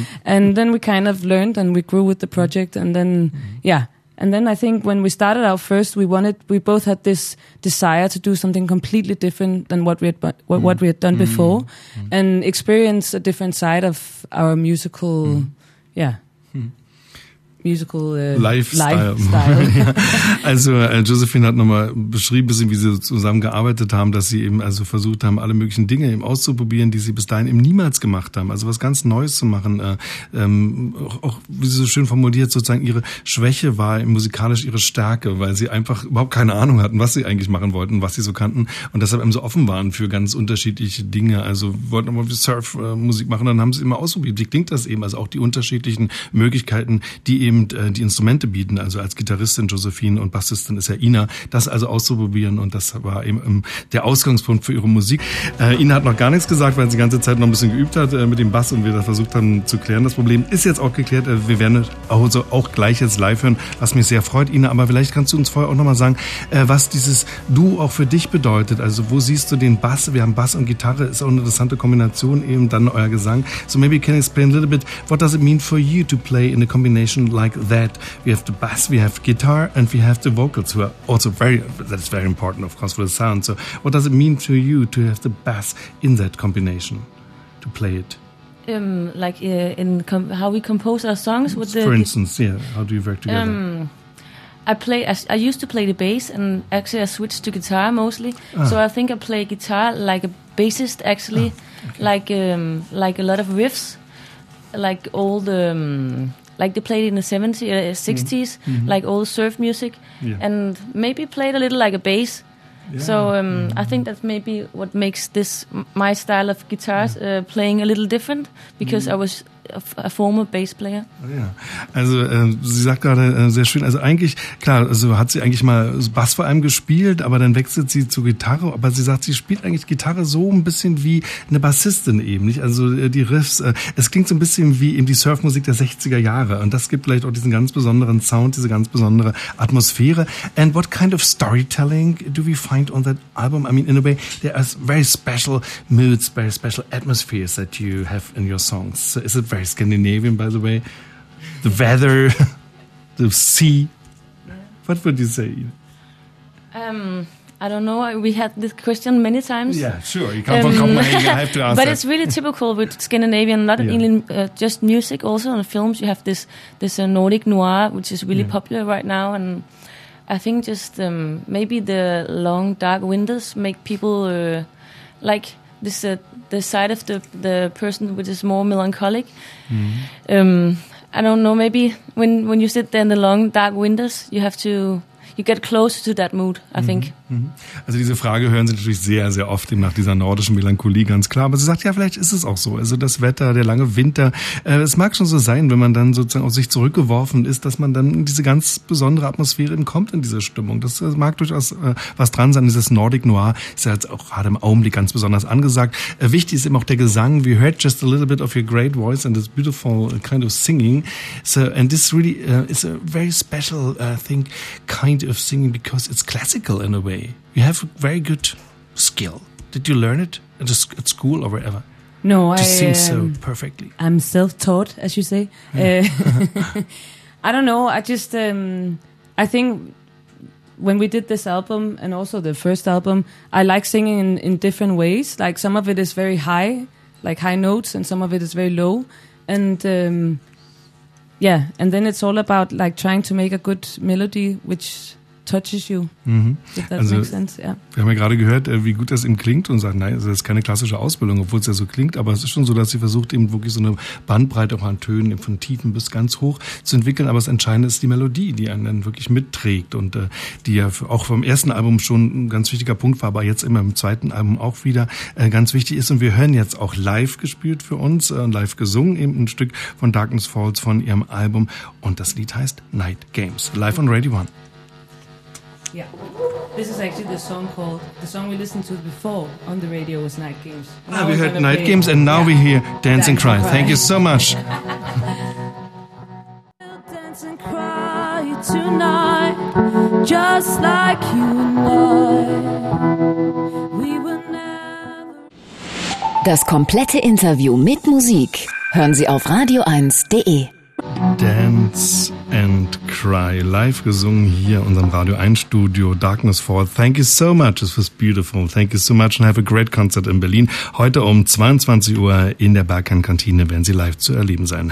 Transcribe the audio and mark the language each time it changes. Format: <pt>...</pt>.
<en>And then we kind of learned and we grew with the project. And then, And then I think when we started out first, we both had this desire to do something completely different than what we had done before and experience a different side of our musical. musical Lifestyle.</en> <de>Also Josephine hat nochmal beschrieben, wie sie zusammengearbeitet haben, dass sie eben also versucht haben, alle möglichen Dinge eben auszuprobieren, die sie bis dahin eben niemals gemacht haben. Also was ganz Neues zu machen. Auch wie sie so schön formuliert, sozusagen ihre Schwäche war musikalisch ihre Stärke, weil sie einfach überhaupt keine Ahnung hatten, was sie eigentlich machen wollten, was sie so kannten und deshalb eben so offen waren für ganz unterschiedliche Dinge. Also wollten nochmal Surf-Musik machen, dann haben sie immer ausprobiert. Wie klingt das eben? Also auch die unterschiedlichen Möglichkeiten, die eben die Instrumente bieten, also als Gitarristin Josephine und Bassistin ist ja Ina, das also auszuprobieren und das war eben der Ausgangspunkt für ihre Musik. Ina hat noch gar nichts gesagt, weil sie die ganze Zeit noch ein bisschen geübt hat mit dem Bass und wir da versucht haben zu klären. Das Problem ist jetzt auch geklärt, wir werden also auch gleich jetzt live hören, was mich sehr freut. Ina, aber vielleicht kannst du uns vorher auch nochmal sagen, was dieses Du auch für dich bedeutet. Also wo siehst du den Bass? Wir haben Bass und Gitarre, ist auch eine interessante Kombination, eben dann euer Gesang.</de> <en>So maybe can you explain a little bit, what does it mean for you to play in a combination like that? We have the bass, we have guitar, and we have the vocals, who are also very, that's very important, of course, for the sound. So what does it mean to you to have the bass in that combination, to play it? How we compose our songs? How do you work together? I used to play the bass, and actually I switched to guitar mostly. Ah. So I think I play guitar like a bassist, actually, like a lot of riffs, like all the... Like they played in the 70s, 60s, mm-hmm. like all surf music, yeah. and maybe played a little like a bass. Yeah. So I think that's maybe what makes this my style of guitars playing a little different, because I was a former bass player. Oh, yeah.</en> <de>Also sie sagt gerade sehr schön, also eigentlich, klar, also hat sie eigentlich mal Bass vor allem gespielt, aber dann wechselt sie zu Gitarre, aber sie sagt, sie spielt eigentlich Gitarre so ein bisschen wie eine Bassistin eben, nicht? Also die Riffs, es klingt so ein bisschen wie eben die Surfmusik der 60er Jahre und das gibt vielleicht auch diesen ganz besonderen Sound, diese ganz besondere Atmosphäre.</de> <en>And what kind of storytelling do we find on that album? I mean, in a way, there are very special moods, very special atmospheres that you have in your songs. So is it very Scandinavian, by the way, the weather, the sea. What would you say? I don't know. We had this question many times. Yeah, sure. You come from Copenhagen. I have to ask. But that. It's really typical with Scandinavian, not only just music. Also on the films, you have this Nordic noir, which is really popular right now. And I think just maybe the long dark winters make people like. This the side of the person which is more melancholic. Mm-hmm. I don't know. Maybe when you sit there in the long dark winters, you get closer to that mood. I think.</en> <de>Also diese Frage hören Sie natürlich sehr, sehr oft eben nach dieser nordischen Melancholie, ganz klar. Aber sie sagt, ja, vielleicht ist es auch so. Also das Wetter, der lange Winter, es mag schon so sein, wenn man dann sozusagen auf sich zurückgeworfen ist, dass man dann in diese ganz besondere Atmosphäre eben kommt, in diese Stimmung. Das mag durchaus was dran sein. Dieses Nordic Noir ist ja jetzt auch gerade im Augenblick ganz besonders angesagt. Wichtig ist eben auch der Gesang.</de> <en>We heard just a little bit of your great voice and this beautiful kind of singing. So, and this really is a very special thing, kind of singing, because it's classical in a way. You have a very good skill. Did you learn it at school or wherever? No, sing so perfectly. I'm self-taught, as you say. Yeah. I don't know. I think when we did this album and also the first album, I like singing in different ways. Like some of it is very high, like high notes, and some of it is very low. And and then it's all about like trying to make a good melody, which touches you, makes sense. Yeah.</en> <de>Wir haben ja gerade gehört, wie gut das eben klingt und sagt, nein, das ist keine klassische Ausbildung, obwohl es ja so klingt, aber es ist schon so, dass sie versucht, eben wirklich so eine Bandbreite auch an Tönen eben von Tiefen bis ganz hoch zu entwickeln, aber das Entscheidende ist die Melodie, die einen dann wirklich mitträgt und die ja auch vom ersten Album schon ein ganz wichtiger Punkt war, aber jetzt immer im zweiten Album auch wieder ganz wichtig ist und wir hören jetzt auch live gespielt für uns, live gesungen eben ein Stück von Darkness Falls von ihrem Album und das Lied heißt Night Games,</de> <en>live on Radio One. Yeah, this is actually the song we listened to before on the radio was Night Games. Now we heard Night Games and now we hear Dance and Cry. Thank you so much. We'll dance and cry tonight, just like you and I. We will never...</en> <de>Das komplette Interview mit Musik hören Sie auf radio1.de. Dance and Cry, live gesungen hier in unserem Radio 1 Studio, Darkness Fall.</de> <en>Thank you so much, this was beautiful. Thank you so much and have a great concert in Berlin.</en> <de>Heute um 22 Uhr in der Bergheim-Kantine werden Sie live zu erleben sein.</de>